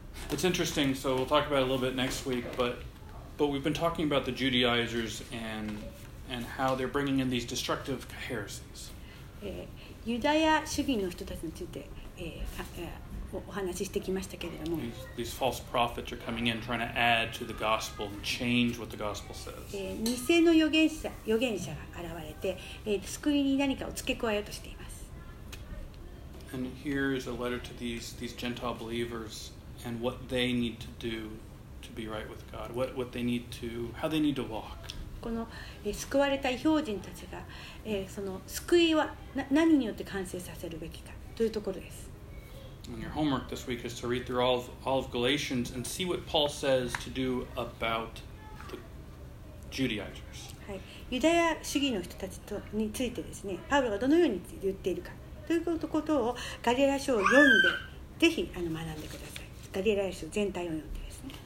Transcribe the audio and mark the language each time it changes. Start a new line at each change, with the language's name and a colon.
English: It's interesting, so we'll talk about it a little bit next week, But we've been talking about the Judaizers and how they're bringing in these destructive heresies.
Japanese: ユダヤ主義の人たちについて、お話ししてきましたけれども。
English: These false prophets are coming in trying to add to the gospel and change what the gospel says.
Japanese: 偽の預言者が現れて、救いに何かを付け加えようとしています。
English: and here is a letter to these Gentile believers and what they need to do to be right with God. What they need to, how they need to walk.
Japanese: この救われた異邦人たちが、その救いは何によって完成させるべきかというところです。
English: And your homework this week is to read through all of Galatians and see what Paul says to do about the Judaizers.
Japanese: はい、ユダヤ主義の人たちとについてですね、パウロがどのように言っているかということをガリラ書を読んで、ぜひ学んでください。ガリラ書全体を読んでですね。